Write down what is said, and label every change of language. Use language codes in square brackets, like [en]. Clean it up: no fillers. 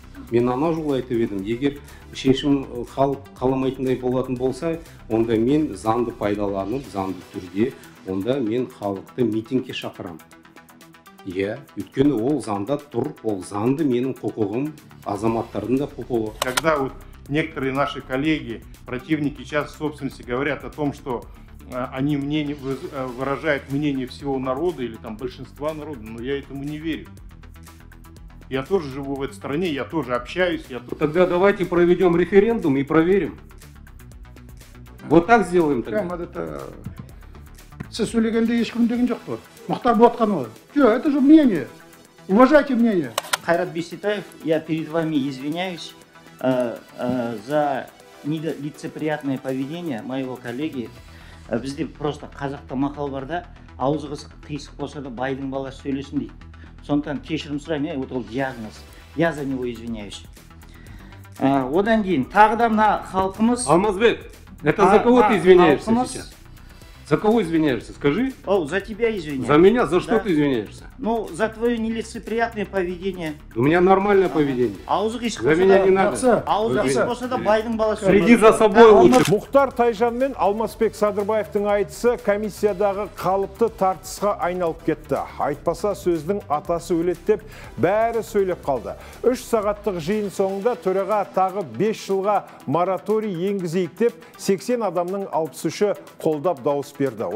[kk] Мен ана жолы айтып едім, егер шешім халық қаламайтындай болатын болса, онда мен заңды пайдаланып, заңды түрде, онда мен халықты митингке шақырам. Өйткені ол заңда тұр, ол заңды менің құқығым, азаматтардың да құқығы. [ru] Когда вот некоторые наши коллеги, противники сейчас в собственности говорят о том, что они мнение выражают мнение всего народа или там большинства народа, но я этому не верю. Я тоже живу в этой стране, я тоже общаюсь. Тогда давайте проведем референдум и проверим. Вот так сделаем тогда. [kk] Сіз сөйлегенде ешкім деген жоқ бұл. [ru] Мұхтар Болатханұлы. Жо, это же мнение. Уважайте мнение. Қайрат Бесетаев, я перед вами извиняюсь за нелицеприятное поведение моего коллеги. [kk] Бізде просто қазақта мақал бар да, аузыңыз қисық болса да байдың баласы сөйлесін дейді. Сондықтан кешірім сұраймын, вот ол диагноз. [ru] Я за него извиняюсь. [kk] Одан кейін тағы да мына халқымыз. [ru] Алмазбек, это за кого ты извиняешься сейчас? За кого извиняешься, скажи? О, за тебя извиняюсь. За меня? За что ты извиняешься? Ну, за твое нелицеприятное поведение. У меня нормальное поведение. За меня не надо. Следи за собой лучше. [kk] Мұхтар Тайжан мен Алмасбек Садырбаевтың айтысы комиссиядағы қалыпты тартысқа айналып кетті. Айтпаса сөздің атасы өлеттеп, бәрі сөйлеп қалды. Үш сағаттық жиын соңында төраға тағы 5 жылға мораторий енгізейік деп, 80 адамның 63-і қолдап дауыс берді.